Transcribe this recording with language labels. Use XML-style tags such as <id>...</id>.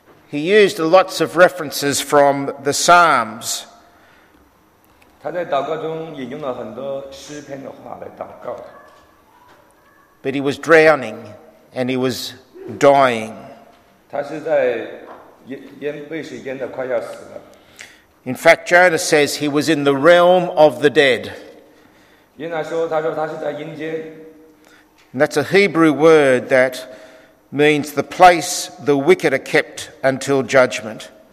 <en>He used lots of references from the Psalms.</en> <zh>他在祷告中引用了很多诗篇的话来祷告。</zh> <en>But he was drowning and he was dying.</en> <zh>他是在被水淹得快要死了。</zh> <en>In fact, Jonah says he was in the realm of the dead.</en> <zh>耶拿说，他说他是在阴间。</zh> <en>And that's a Hebrew word that means the place the wicked are kept until judgment.</en>